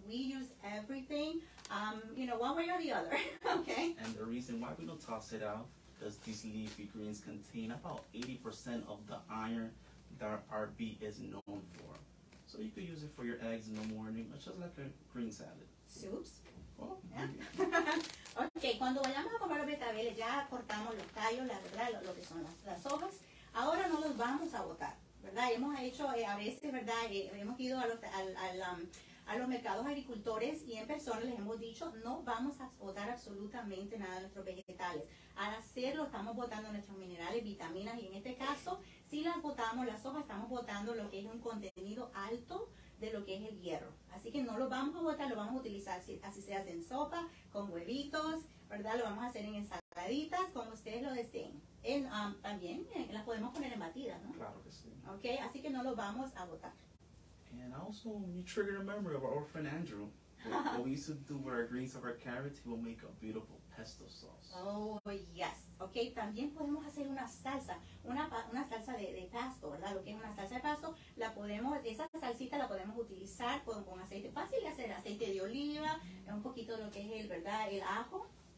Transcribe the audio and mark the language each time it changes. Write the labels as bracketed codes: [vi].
[en] We use everything, one way or the other, okay? And the reason why we don't toss it out, because these leafy greens contain about 80% of the iron that our beet is known for. So you could use it for your eggs in the morning, just like a green salad. Soups? Oh, yeah. [es] Okay, cuando vayamos a comer los betabeles, ya cortamos los tallos, la verdad, lo que son las hojas. Ahora no los vamos a botar. ¿Verdad? Hemos hecho a veces, ¿verdad? Hemos ido a los mercados agricultores y en persona les hemos dicho, no vamos a botar absolutamente nada de nuestros vegetales. Al hacerlo, estamos botando nuestros minerales, vitaminas y en este caso, si las botamos, las hojas, estamos botando lo que es un contenido alto de lo que es el hierro. Así que no lo vamos a botar, lo vamos a utilizar, así sea en sopa, con huevitos, ¿verdad? Lo vamos a hacer en ensaladitas, como ustedes lo deseen. También las podemos poner en batidas, ¿no? Claro que sí. Okay, así que no lo vamos a botar. [en] And also, you triggered a memory of our friend Andrew. What we used to do with our greens of our carrots, he will make a beautiful pesto sauce. Oh, yes. [es] Okay, también podemos hacer una salsa de pasto, ¿verdad? Lo que es una salsa de pasto, esa salsita la podemos utilizar con aceite. Fácil hacer aceite de oliva, un poquito de lo que es el ajo.